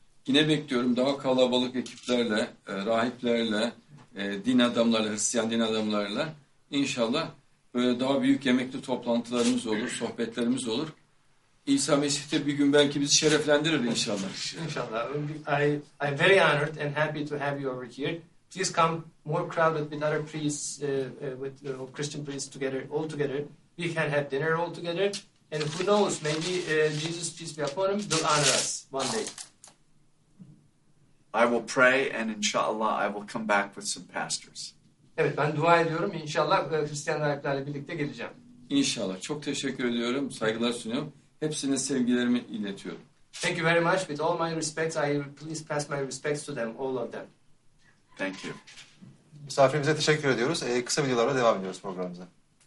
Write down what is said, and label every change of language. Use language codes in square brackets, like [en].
[tr] Yine bekliyorum daha kalabalık ekiplerle, rahiplerle, din adamlarıyla, Hristiyan din adamlarıyla. İnşallah böyle daha büyük yemekli toplantılarımız olur, sohbetlerimiz olur. İsa Mesih de bir gün belki bizi şereflendirir inşallah. İnşallah. [en] I'm very honored and happy to have you over here. Please come more crowded with other priests, with Christian priests together, all together. We can have dinner all together. And who knows, maybe Jesus, peace be upon him, will honor us one day. I will pray and inshallah I will come back with some pastors. [tr] Evet, ben dua ediyorum. İnşallah Hristiyan rahiplerle birlikte geleceğim. İnşallah. Çok teşekkür ediyorum. Saygılar sunuyorum. Hepsine sevgilerimi iletiyorum. [en] Thank you. Thank you very much. With all my respects, I please pass my respects to them, all of them. Thank you. [tr] Misafirimize teşekkür ediyoruz. Kısa videolarla devam ediyoruz programımıza.